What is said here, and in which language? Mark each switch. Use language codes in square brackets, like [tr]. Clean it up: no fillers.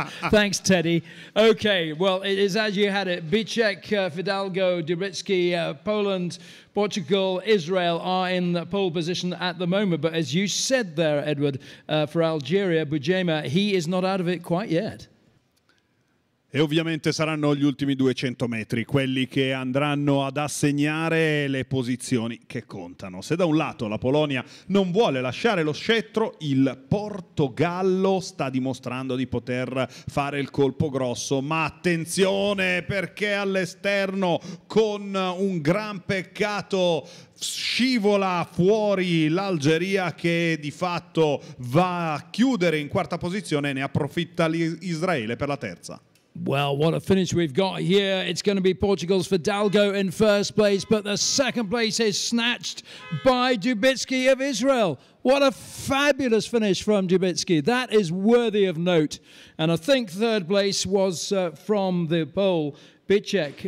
[en] Thanks, Teddy. Okay, well, it is as you had it. Bicek, Fidalgo, Dubritsky, Poland, Portugal, Israel are in the pole position at the moment. But as you said there, Edward, for Algeria, Boujema, he is not out of it quite yet. [it] E ovviamente saranno gli ultimi 200 metri quelli che andranno ad assegnare le posizioni che contano. Se da un lato la Polonia non vuole lasciare lo scettro, il Portogallo sta dimostrando di poter fare il colpo grosso. Ma attenzione, perché all'esterno, con un gran peccato, scivola fuori l'Algeria, che di fatto va a chiudere in quarta posizione e ne approfitta Israele per la terza. [en] Well, what a finish we've got here. It's going to be Portugal's Fidalgo in first place, but the second place is snatched by Dubitsky of Israel. What a fabulous finish from Dubitsky. That is worthy of note. And I think third place was from the Pole, Bicek.